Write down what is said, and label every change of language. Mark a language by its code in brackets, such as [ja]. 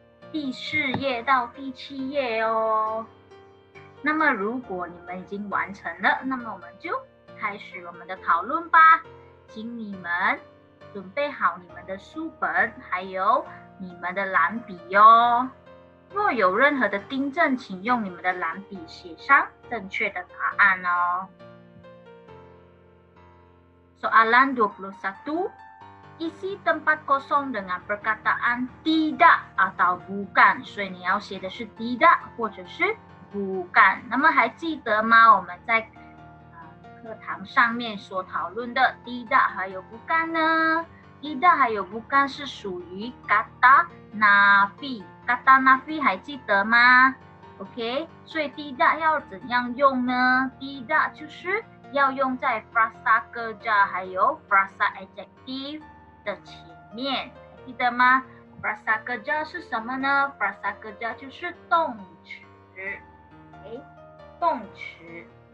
[zh] 第四页到第七页哦。那么如果你们已经完成了，那么我们就开始我们的讨论吧。请你们准备好你们的书本还有你们的蓝笔哟。若有任何的订正，请用你们的蓝笔写上正确的答案哦。 [ms] Soalan 21， isi tempat kosong dengan perkataan tidak atau bukan， [zh] 所以你要写的是 tidak 或者是 bukan。那么还记得吗？我们在课堂上面所讨论的 tidak 还有 bukan 呢？ tidak 还有 bukan 是属于 kata nafi， kata nafi 还记得吗？ OK， 所以 tidak 要怎样用呢？tidak 就是要用在 frasa kerja 还有 frasa adjective 的前面，记得吗？ frasa kerja 是什么呢？frasa kerja 就是动词， okay， 动词。